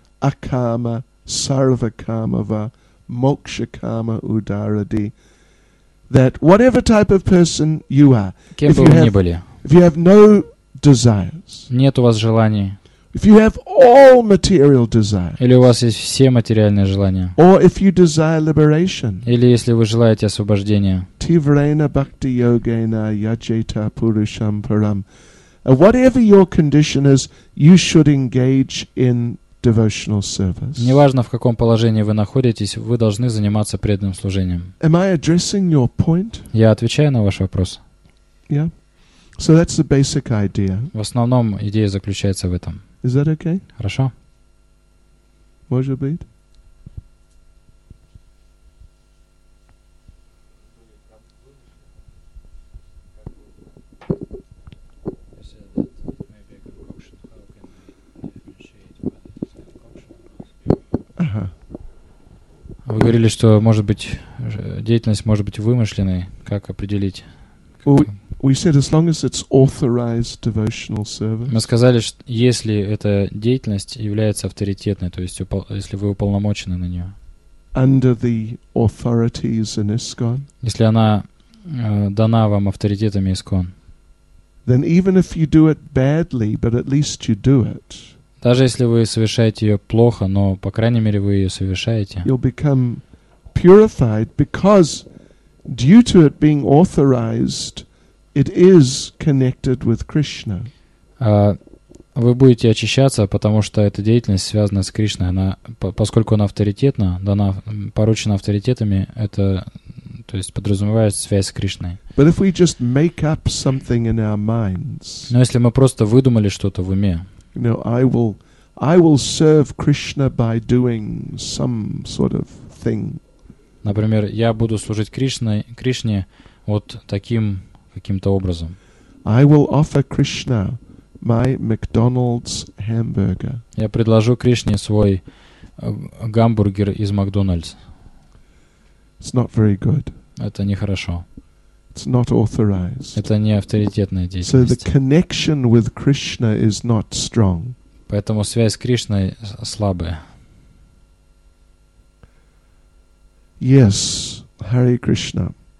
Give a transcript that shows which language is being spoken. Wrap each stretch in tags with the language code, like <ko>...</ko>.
<sa>Акама сарвакамава Moksha Kama Udaradi,</sa> <en>that whatever type of person you are, if you have no desires,</en> <ru>нет у вас желаний,</ru> <en>if you have all material desires,</en> <ru>или у вас есть все материальные желания,</ru> <en>or if you desire liberation,</en> <ru>или если вы желаете освобождения,</ru> <sa>Tivrena Bhakti Yogena Yajeta Purusham Param,</sa> <en>whatever your condition is, you should engage in devotional service.</en> <ru>Неважно, в каком положении вы находитесь, вы должны заниматься преданным служением.</ru> <en>Am I addressing your point?</en> <ru>Я отвечаю на ваш вопрос.</ru> <en>Yeah. So that's the basic idea.</en> <ru>В основном идея заключается в этом.</ru> <en>Is that okay?</en> <ru>Хорошо. может быть? Вы говорили, что, может быть, деятельность может быть вымышленной. Как определить?</ru> <en>We said as long as it's authorized devotional service.</en> <ru>Мы сказали, что если эта деятельность является авторитетной, то есть если вы уполномочены на нее.</ru> <en>Under the authorities in ISKCON.</en> <ru>Если она дана вам авторитетами ISKCON.</ru> <en>Then even if you do it badly, but at least you do it.</en> <ru>Даже если вы совершаете ее плохо, но, по крайней мере, вы ее совершаете.</ru> <en>You'll become purified because due to it being authorized, it is connected with Krishna.</en> <ru>Вы будете очищаться, потому что эта деятельность связана с Кришной. Она, поскольку она авторитетна, дана, поручена авторитетами, это, то есть, подразумевает связь с Кришной.</ru> <en>But if we just make up something in our minds,</en> <ru>но если мы просто выдумали что-то в уме,</ru> <en>you know, I will serve Krishna by doing some sort of thing.</en> <ru>Например, я буду служить Кришне вот таким каким-то образом.</ru> <en>I will offer Krishna my McDonald's hamburger.</en> <ru>Я предложу Кришне свой гамбургер из Макдональдс.</ru> <en>It's not very good.</en> <ru>Это нехорошо.</ru> <en>It's not authorized.</en> <ru>Это не авторитетная деятельность.</ru> <en>So the connection with Krishna is not strong.</en> <ru>Поэтому связь с Кришной слабая.</ru> <en>Yes, Hare Krishna.</en>